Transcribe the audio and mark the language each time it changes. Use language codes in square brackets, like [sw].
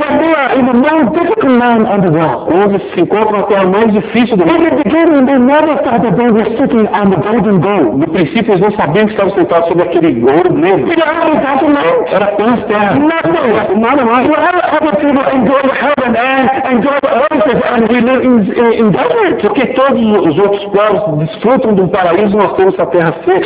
[en] When they are in a more difficult land on the ground. [pt] Quando se encontram na terra mais difícil do mundo. [en] In the beginning, they never thought that they were sitting on the golden goal. [pt] No princípio, eles não sabiam que estavam sentados sobre aquele gol. Era apenas terra. Nada mais. [en] Whatever other people enjoy heaven and enjoy the earth and we live in desert. [pt] Porque todos os outros povos desfrutam de um paraíso, nós temos essa terra seca.